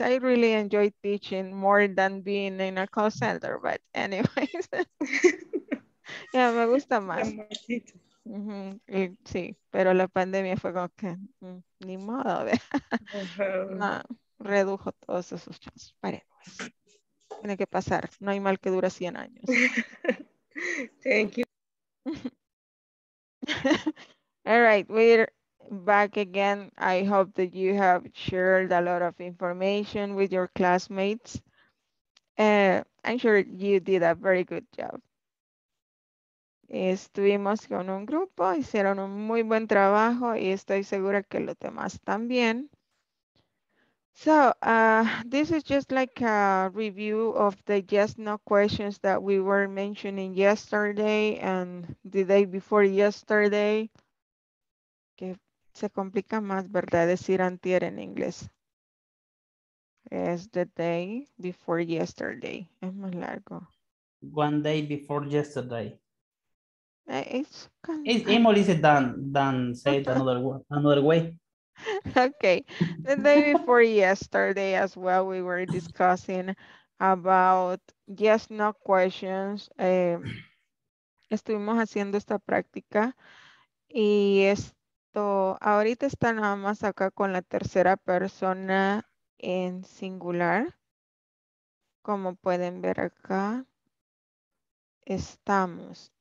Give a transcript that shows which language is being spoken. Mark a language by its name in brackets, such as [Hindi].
[English] I really enjoy teaching more than being in a call center, but anyways. [Spanish] Yeah, me gusta más. Mm-hmm. Sí, pero la pandemia fue como que ni modo, uh-huh. No, redujo todos esos chances. Paremos. Tiene que pasar, no hay mal que dura 100 años. [English] Thank you. All right, we're back again. I hope that you have shared a lot of information with your classmates. I'm sure you did a very good job. [Spanish] estuvimos con un grupo, hicieron un muy buen trabajo y estoy segura que los demás también. [English] So, this is just like a review of the yes, no questions that we were mentioning yesterday and the day before yesterday. [Spanish] Que se complica más, ¿verdad? Decir antier en inglés. Es [English] the day before yesterday. [Spanish] Es más largo. [English] One day before yesterday. It's more easy than say it another way. Okay, the day before yesterday as well, we were discussing about yes, no questions. [Spanish] Estuvimos haciendo esta práctica y esto, ahorita está nada más acá con la tercera persona en singular. Como pueden ver acá, estamos.